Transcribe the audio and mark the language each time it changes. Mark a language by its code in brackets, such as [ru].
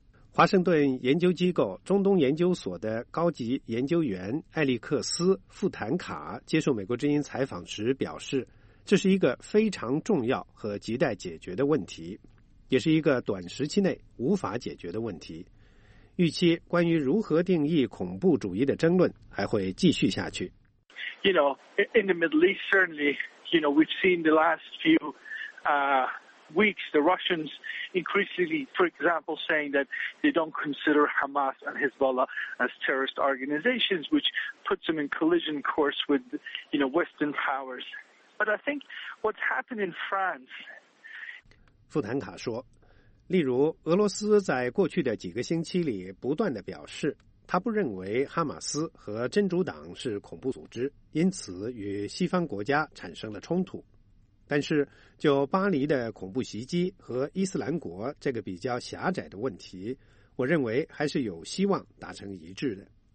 [zh] 华盛顿研究机构中东研究所的高级研究员艾利克斯·富坦卡接受美国之音采访时表示，这是一个非常重要和亟待解决的问题，也是一个短时期内无法解决的问题。预期关于如何定义恐怖主义的争论还会继续下去。 [en] You know, in the Middle East, certainly, you know, we've seen the last few weeks, the Russians increasingly, for example, saying that they don't consider Hamas and Hezbollah as terrorist organizations, which puts them in collision course with, you know, Western powers. But I think what's happened in France. [zh] 富坦卡说，例如俄罗斯在过去的几个星期里不断地表示，他不认为哈马斯和真主党是恐怖组织，因此与西方国家产生了冲突。但是就巴黎的恐怖袭击和伊斯兰国这个比较狭窄的问题，我认为还是有希望达成一致的。